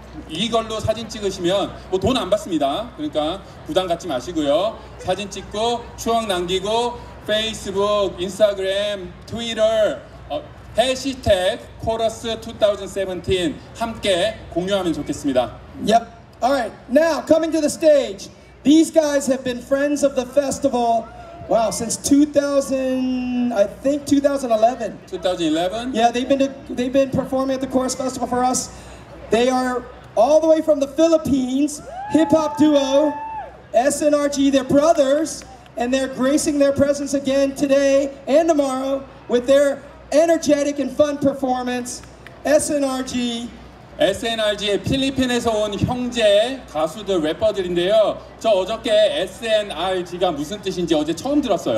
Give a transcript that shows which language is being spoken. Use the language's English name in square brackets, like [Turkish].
[Korean] 이걸로 사진 찍으시면 뭐 돈 안 받습니다. 그러니까 부담 갖지 마시고요. 사진 찍고 추억 남기고 페이스북, 인스타그램, 트위터 해시태그 코러스 2017 함께 공유하면 좋겠습니다. [English] Yep. All right, now coming to the stage, these guys have been friends of the festival, wow, since 2011. 2011? Yeah, they've been performing at the KORUS Festival for us. They are all the way from the Philippines, hip-hop duo, SNRG, they're brothers, and they're gracing their presence again today and tomorrow with their energetic and fun performance, SNRG. [Korean] SNRG의 필리핀에서 온 형제 가수들 래퍼들인데요. 저 어저께 SNRG가 무슨 뜻인지 어제 처음 들었어요.